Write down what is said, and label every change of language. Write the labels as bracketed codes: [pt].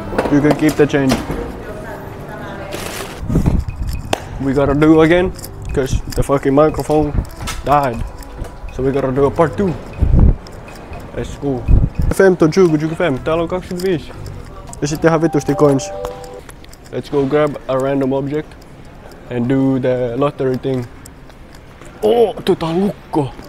[en] You can keep the change. We gotta do again, cause the fucking microphone died. So we gotta do a part 2. Let's go. [fi] FM to Jugu Jugu FM, täällä on 25. Ja sitten ihan vitusti coins. [en] Let's go grab a random object and do the lottery thing. [fi] Oh, tota lukko!